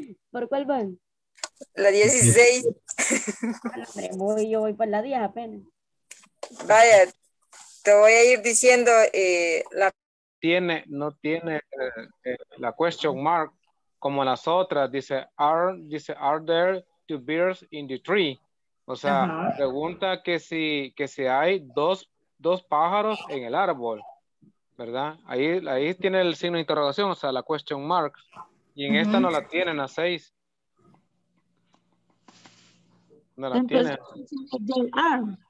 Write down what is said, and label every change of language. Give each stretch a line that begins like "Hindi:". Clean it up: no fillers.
Spanish: ¿Por cuál van? La 16. Yo voy por la 10 apenas. Vaya, te voy a ir diciendo la... Tiene, no tiene la
English: question mark
Spanish: como las otras. Dice,
English: are there two bears in the tree?
Spanish: O sea, pregunta que si hay dos pájaros en el árbol, ¿verdad? Ahí tiene el signo de interrogación, o sea, la
English: question mark.
Spanish: Y en esta no la tienen, a 6. No la tienen.